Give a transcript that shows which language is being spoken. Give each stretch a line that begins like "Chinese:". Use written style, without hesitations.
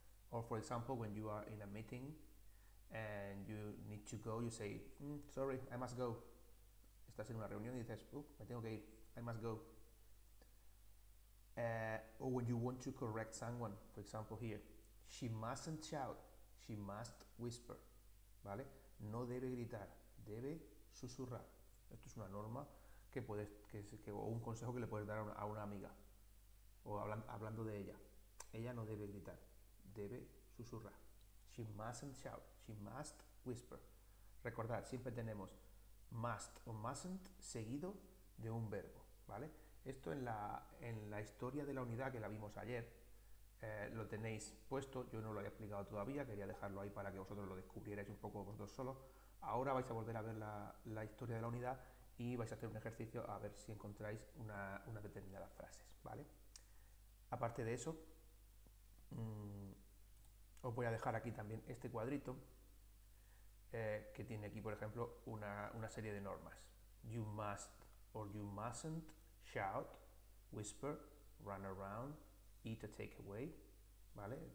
English: Or for example, when you are in a meeting and you need to go, you say, sorry, I must go.
Spanish: Estás en una reunión y dices, me tengo que ir,
English: I must go. Or when you want to correct someone, for example here, she mustn't shout, she must whisper.
Spanish: ¿Vale? No debe gritar, debe susurrar. Esto es una norma o un consejo que le puedes dar a una amiga, o hablando de ella. Ella no debe gritar, debe susurrar.
English: She mustn't shout, she must whisper.
Spanish: Recordad, siempre tenemos must o mustn't seguido de un verbo, ¿vale? Esto en la historia de la unidad que la vimos ayer, lo tenéis puesto. Yo no lo he explicado todavía, quería dejarlo ahí para que vosotros lo descubrierais un poco vosotros solos. Ahora vais a volver a ver la historia de la unidad y vais a hacer un ejercicio a ver si encontráis unas determinadas frases, ¿vale? Aparte de eso, os voy a dejar aquí también este cuadrito que tiene aquí, por ejemplo, una serie de normas.
English: You must or you mustn't shout, whisper, run around, eat a takeaway,
Spanish: ¿vale?